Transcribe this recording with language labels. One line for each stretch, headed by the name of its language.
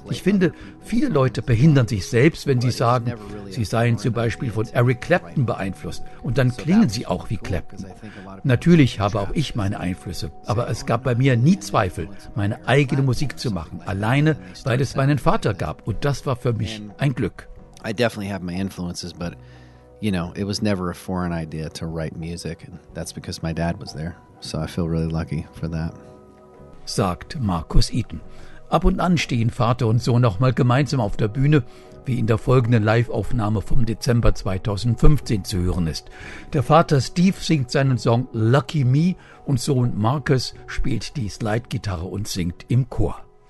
German: Ich finde, viele Leute behindern sich selbst, wenn sie sagen, sie seien zum Beispiel von Eric Clapton beeinflusst. Und dann klingen sie auch wie Clapton. Natürlich habe auch ich meine Einflüsse. Aber es gab bei mir nie Zweifel, meine eigene Musik zu machen. Alleine, weil es meinen Vater gab. Und das war für mich ein Glück.
English: I definitely have my influences, but you know, it was never a foreign idea to write music, and that's because my dad was there. So I feel really lucky for that.
German: Sagt Marcus Eaton. Ab und an stehen Vater und Sohn noch mal gemeinsam auf der Bühne, wie in der folgenden Live-Aufnahme vom Dezember 2015 zu hören ist. Der Vater Steve singt seinen Song Lucky Me und Sohn Marcus spielt die Slide-Gitarre und singt im Chor.